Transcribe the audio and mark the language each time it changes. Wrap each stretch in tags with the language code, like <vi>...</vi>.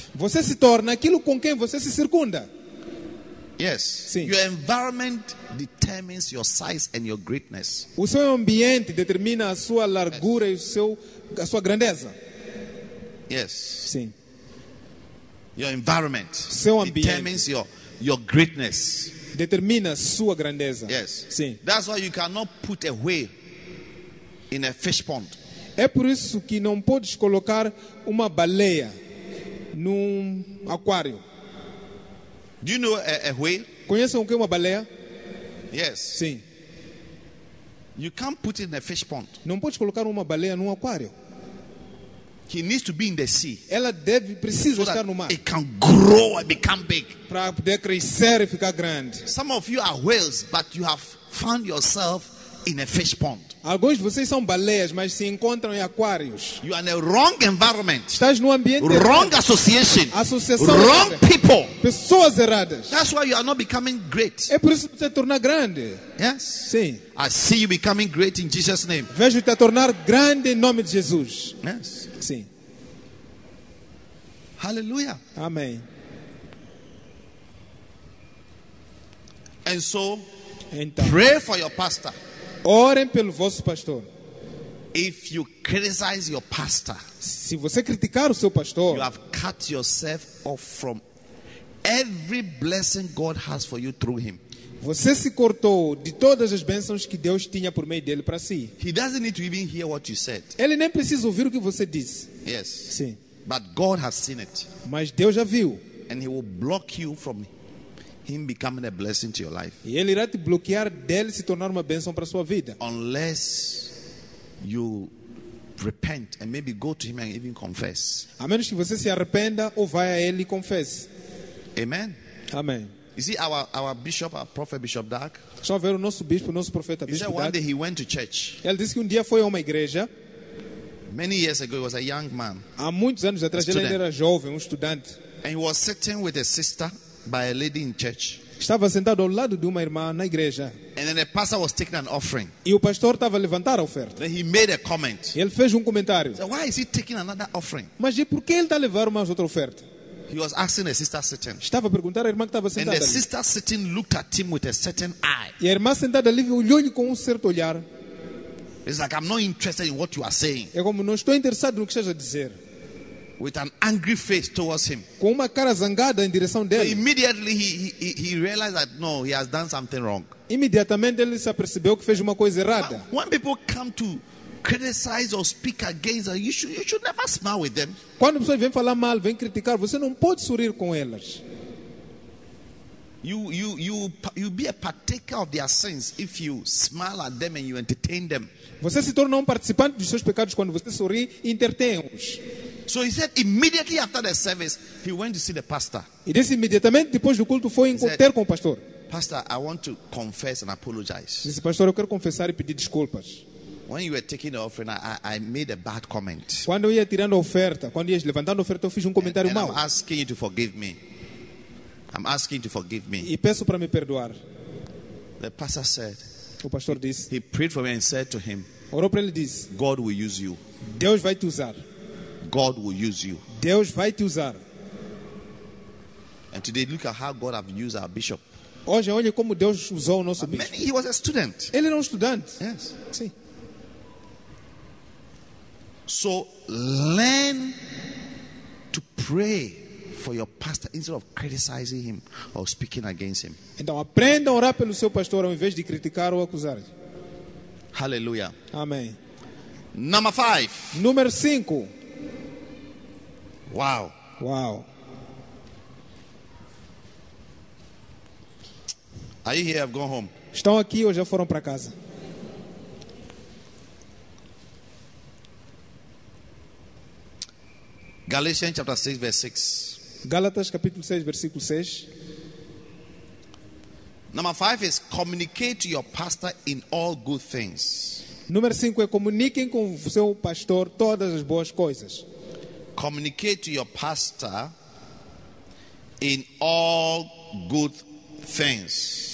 <pt>Você se torna aquilo com quem você se circunda.</pt> <en>Yes.</en> <pt>Sim.</pt> <en>Your environment determines your size and your greatness.</en> <pt>O seu ambiente determina a sua largura,</pt> <en>yes,</en> <pt>e a sua grandeza.</pt> <en>Yes.</en> <pt>Sim.</pt> <en>Your environment,</en> <pt>seu ambiente</pt> <en>determines your greatness.</en> <pt>Determina sua grandeza.</pt> <en>Yes.</en> <pt>Sim.</pt> <en>That's why you cannot put a whale in a fish pond.</en> <pt>É por isso que não podes colocar uma baleia num aquário.</pt> <en>Do you know a whale?</en> <pt>Conhecem o que é uma baleia?</pt> <en>Yes.</en> <pt>Sim.</pt> <en>You can't put it in a fish pond.</en> <pt>Não podes colocar uma baleia num aquário.</pt> <en>He needs to be in the sea.</en> <pt>Ela deve precisa estar no mar.</pt> <en>It can grow and become big.</en> <pt>Para poder crescer e ficar grande.</pt> <en>Some of you are whales, but you have found yourself in a fish pond.</en> <pt>Alguns de vocês são baleias, mas se encontram em aquários.</pt> <en>You are in a wrong environment.</en> <pt>Estás num ambiente</pt> <en>wrong</en> <pt>errado.</pt> <en>Association.</en> <pt>Associação</pt> <en>wrong</en> <pt>errada.</pt> <en>People.</en> <pt>Pessoas erradas.</pt> <en>That's why you are not becoming great.</en> <pt>É por isso que você tornar grande.</pt> <en>Yes.</en> <pt>Sim.</pt> <en>I see you becoming great in Jesus' name.</en> <pt>Vejo-te a tornar grande em nome de Jesus.</pt> <en>Yes.</en> <pt>Sim.</pt> <en>Hallelujah.</en> <pt>Amém.</pt> <en>And so,</en> <pt>então,</pt> <en>pray for your pastor.</en> <pt>Orem pelo vosso pastor.</pt> <en>If you criticize your pastor,</en> <pt>se você criticar o seu pastor,</pt> <en>you have cut yourself off from every blessing God has for you through him.</en> <pt>Você se cortou de todas as bênçãos que Deus tinha por meio dele para si.</pt> <en>He doesn't need to even hear what you said.</en> <pt>Ele nem precisa ouvir o que você disse.</pt> <en>Yes.</en> <pt>Sim.</pt> <en>But God has seen it.</en> <pt>Mas Deus já viu.</pt> <en>And he will block you from him becoming a blessing to your life.</en> <pt>E ele irá te bloquear dele se tornar uma bênção para sua vida.</pt> <en>Unless you repent and maybe go to him and even confess.</en> <pt>A menos que você se arrependa ou vá a ele e confesse.</pt> <en>Amen.</en> <pt>Amém.</pt> <en>You see our bishop, our prophet Bishop Dark.</en> <pt>Só ver o nosso bispo, nosso profeta Bishop Dark.</pt> <en>He said one day he went to church.</en> <pt>Ele disse que dia foi a uma igreja.</pt> <en>Many years ago, he was a young man.</en> <pt>Há muitos anos atrás, ele era jovem, estudante.</pt> <en>And he was sitting with a sister by a lady in church.</en> <pt>Estava sentado ao lado de uma irmã na igreja.</pt> <en>And then the pastor was taking an offering.</en> <pt>E o pastor estava a levantar a oferta.</pt> <en>Then he made a comment.</en> <pt>E ele fez comentário.</pt> <en>So why is he taking another offering?</en> <pt>Mas e por que ele está a levar mais outra oferta?</pt> <en>He was asking a sister sitting.</en> <pt>Estava a perguntar à irmã que estava sentada.</pt> <en>And the sister sitting looked at him with a certain eye.</en> <pt>E a irmã sentada ali olhou-lhe com certo olhar.</pt> <en>It's like I'm not interested in what you are saying.</en> <pt>É como não estou interessado no que estás a dizer.</pt> <en>With an angry face towards him.</en> <pt>Com uma cara zangada em direção dele.</pt> <en>So immediately he realized that no, he has done something wrong.</en> <pt>Imediatamente ele se apercebeu que fez uma coisa errada.</pt> <en>But when people come to criticize or speak against, you should never smile with them.</en> <pt>Quando pessoas vêm falar mal, vêm criticar, você não pode sorrir com elas.</pt> <en>You be a partaker of their sins if you smile at them and you entertain them.</en> <pt>Você se torna participante dos seus pecados quando você sorri e entretém-os.</pt> <en>So he said immediately after the service, he went to see the pastor.</en> <pt>E disse imediatamente depois do culto foi encontrar com o pastor.</pt> <en>Pastor, I want to confess and apologize.</en> <pt>Disse pastor, eu quero confessar e pedir desculpas.</pt> <en>When you were taking the offering, I made a bad comment.</en> <pt>Quando eu ia tirando a oferta, quando ia levantando a oferta, eu fiz comentário mau.</pt> <en>I'm asking you to forgive me. I'm asking you to forgive me.</en> <pt>E peço para me perdoar.</pt> <en>The pastor said.</en> <pt>O pastor disse.</pt> <en>He prayed for me and said to him.</en> <pt>Orou para ele e disse:</pt> <en>God will use you.</en> <pt>Deus vai te usar.</pt> <en>God will use you.</en> <pt>Deus vai te usar.</pt> <en>And today look at how God have used our bishop.</en> <pt>Hoje olha como Deus usou o nosso bispo.</pt> <en>Many, he was a student.</en> <pt>Ele era um estudante.</pt> <en>Yes.</en> <pt>Sim.</pt> <en>So learn to pray for your pastor instead of criticizing him or speaking against him.</en> <pt>Então aprenda a orar pelo seu pastor ao invés de criticar ou acusar.</pt> <en>Hallelujah.</en> <pt>Amém.</pt> <en>Number 5.</en> <pt>Número 5. Wow. Wow.</pt> <en>Are you here? I've gone home.</en> <pt>Estão aqui ou já foram para casa?</pt> <en>Galatians chapter 6 verse 6.</en> <pt>Gálatas capítulo 6 versículo 6.</pt> <en>Number 5 is communicate to your pastor in all good things.</en> <pt>Número 5 é comuniquem com o seu pastor todas as boas coisas.</pt> <en>Communicate to your pastor in all good things.</en>